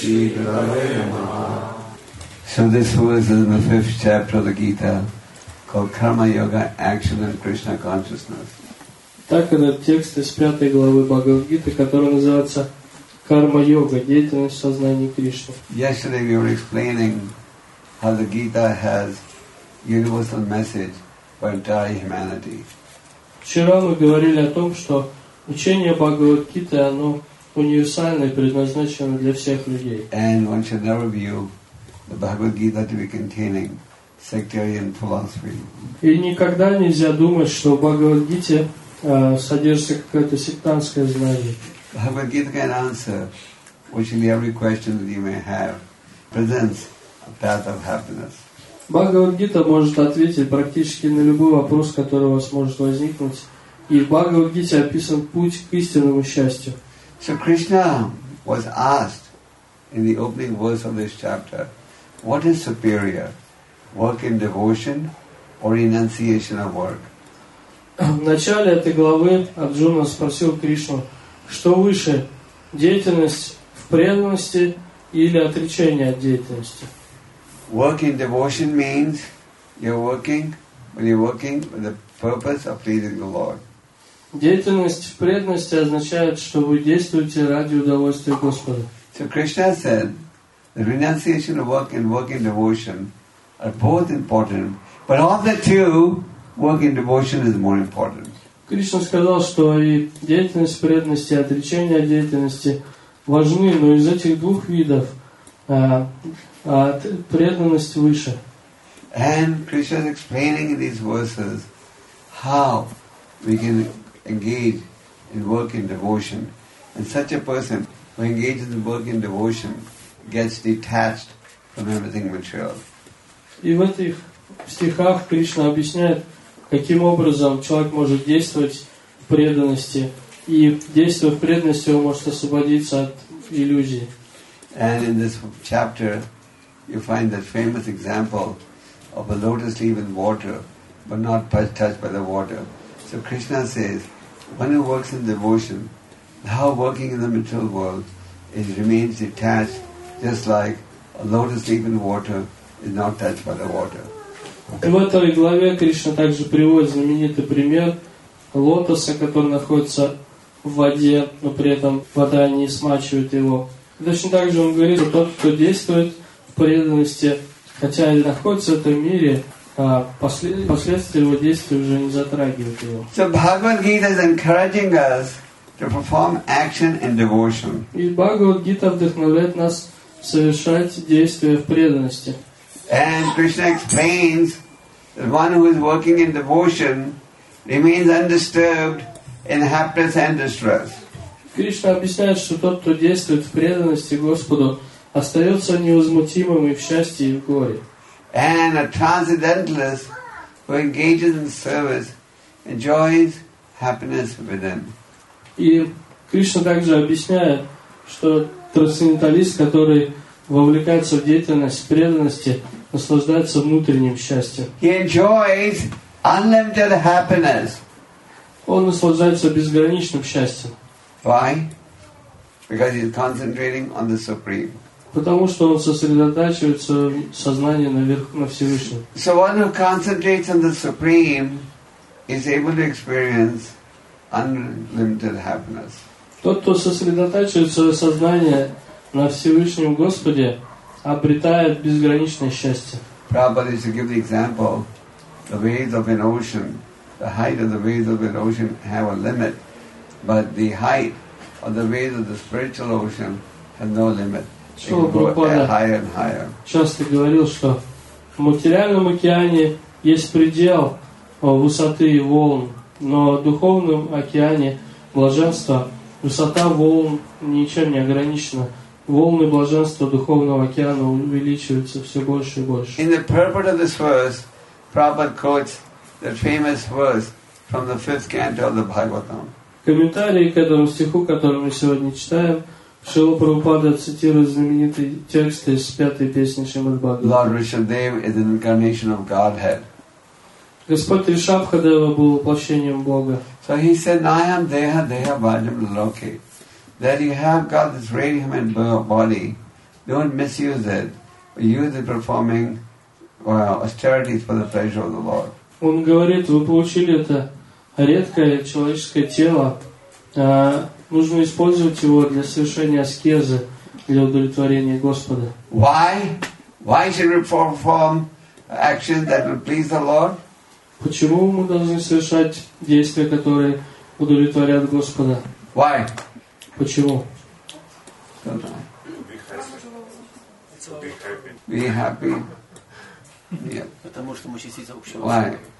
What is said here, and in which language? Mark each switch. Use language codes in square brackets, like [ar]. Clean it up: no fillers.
[en] So this verse is in the fifth chapter of the Gita called Karma Yoga, Action and Krishna Consciousness. [ru] Так этот текст из пятой главы Бхагавад Гиты, который называется Карма Йога, деятельность сознания Кришны. [en] Yesterday we were explaining how the Gita has universal message for entire humanity. [ru] Вчера мы говорили о том, что учение Бхагавад Гиты, оно универсальное, предназначено для всех людей. [en] And one should never view the Bhagavad Gita to be containing sectarian philosophy. [ru] И никогда нельзя думать, что в Бхагавад Гите содержится какое-то сектантское знание. [en] Bhagavad Gita can answer virtually every question that you may have, presents a path of happiness. [ru] Бхагавад Гита может ответить практически на любой вопрос, который у вас может возникнуть. И в Бхагавад Гите описан путь к истинному счастью. [en] So Krishna was asked in the opening verse of this chapter, what is superior, work in devotion or renunciation of work. [ru] В начале этой главы Арджуна спросил Кришну, что выше, деятельность в преданности или отречение от деятельности? [en] Work in devotion means you're working, but you're working with the purpose of pleasing the Lord. [ru] Деятельность в преданности означает, что вы действуете ради удовольствия Господа. [en] So Krishna said, the renunciation of work and work in devotion are both important, but of the two, work in devotion is more important. [ru] Кришна сказал, что и деятельность в преданности, и отречение от деятельности важны, но из этих двух видов преданность выше. [en] And Krishna is explaining in these verses how we can engage in work in devotion. And such a person who engages in work in devotion gets detached from everything material. [ru] И в этих стихах Кришна объясняет, каким образом человек может действовать в преданности. И действуя в преданности, он может освободиться от иллюзий. [en] And in this chapter, you find that famous example of a lotus leaf in water, but not touched by the water. So Krishna says, one who works in devotion, how working in the material world, it remains detached, just like a lotus leaf in water is not touched by the water. [ru] И в этой главе Кришна также приводит знаменитый пример лотоса, который находится в воде, но при этом вода не смачивает его. Точно так же он говорит, что тот, кто действует в преданности, хотя и находится в этом мире, последствия его действий уже не затрагивают его. [en] So Bhagavad Gita is encouraging us to perform action in devotion. [ru] И Бхагавад Гита вдохновляет нас совершать действия в преданности. [en] And Krishna explains that one who is working in devotion remains undisturbed in happiness and distress. [ru] Кришна объясняет, что тот, кто действует в преданности Господу, остается невозмутимым и в счастье, и в горе. [en] And a transcendentalist who engages in service enjoys happiness within. [ru] И Кришна также объясняет, что трансценденталист, который вовлекается в деятельность преданности, наслаждается внутренним счастьем. [en] He enjoys unlimited happiness. [ru] Он наслаждается безграничным счастьем. [en] Why? Because he's concentrating on the Supreme. [ru] Потому что он сосредотачивается в сознании на Всевышнем. [en] So one who concentrates on the Supreme is able to experience unlimited happiness. [ru] Тот, кто сосредотачивается в сознании на Всевышнем Господе, обретает безграничное счастье. [en] Prabhupada used to give the example, the waves of an ocean, the height of the waves of an ocean have a limit, but the height of the waves of the spiritual ocean has no limit. [ru] Шрила Прабхупада [en] higher and higher. [ru] Часто говорил, что в материальном океане есть предел высоты волн, но в духовном океане блаженства высота волн ничем не ограничена. Волны блаженства духовного океана увеличиваются все больше и больше. [en] In the purport of this verse, Prabhupada quotes the famous verse from the fifth canto of the Bhagavatam. [ru] В комментарии к этому стиху, который мы сегодня читаем, Шрила Прабхупада цитирует знаменитый текст из пятой песни Шримад Бхагаватам. [en] Lord Rishabhadeva is an incarnation of Godhead. [ru] Господь Ришабхадева был воплощением Бога. [en] So he said, I am [sa] Deha Deha Vajam Loki. [en] That you have got this radiant body, don't misuse it, but use it performing austerities for the pleasure of the Lord. [ru] Он говорит, вы получили это редкое человеческое тело, нужно использовать его для совершения аскезы, для удовлетворения Господа. [en] Why? Why should we perform actions that will please the Lord? [ru] Почему мы должны совершать действия, которые удовлетворят Господа? [en] Why? [ru] Почему? [en] Be happy. [ru] Потому что мы частица общего. [en] Why?